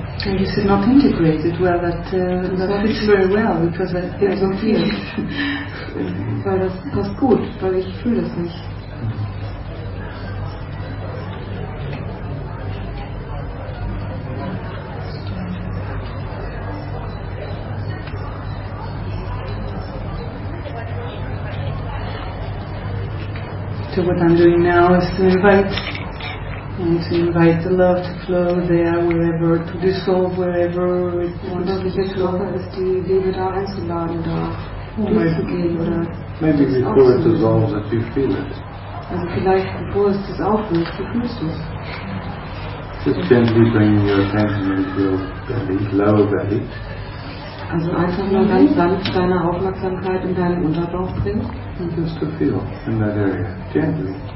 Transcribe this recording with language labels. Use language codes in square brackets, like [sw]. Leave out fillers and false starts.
[en] You said not integrated well, that fits very well, because I don't feel it. [de] Weil das passt gut, weil ich fühle es nicht. [en] So what I'm doing now is to invite and to invite the love to flow there, wherever, to dissolve wherever it wants to flow. Maybe before it dissolves that you feel it. [de] Also vielleicht bevor es das aufhört, du fühlst es. [en] Just gently bring your attention into your belly, lower belly. [de] Also einfach nur ganz sanft deine Aufmerksamkeit in deinen Unterbauch bringen. [en] And just to feel in that area, gently.